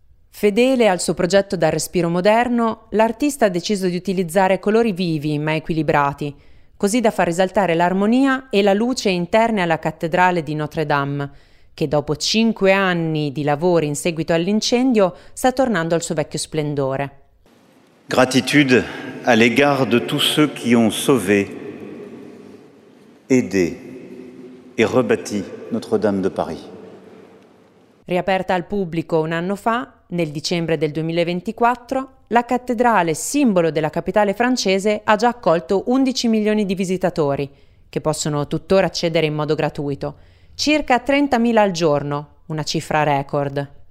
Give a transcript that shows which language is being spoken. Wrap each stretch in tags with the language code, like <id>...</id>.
<it>Fedele al suo progetto dal respiro moderno, l'artista ha deciso di utilizzare colori vivi ma equilibrati, così da far risaltare l'armonia e la luce interne alla cattedrale di Notre Dame, che dopo 5 anni di lavori in seguito all'incendio sta tornando al suo vecchio splendore.</it> <fr>Gratitude à l'égard de tous ceux qui ont sauvé, aidé et rebâti Notre-Dame de Paris.</fr> <it>Riaperta al pubblico un anno fa, nel dicembre del 2024, la cattedrale, simbolo della capitale francese, ha già accolto 11 milioni di visitatori, che possono tuttora accedere in modo gratuito, circa 30.000 al giorno, una cifra record.</it>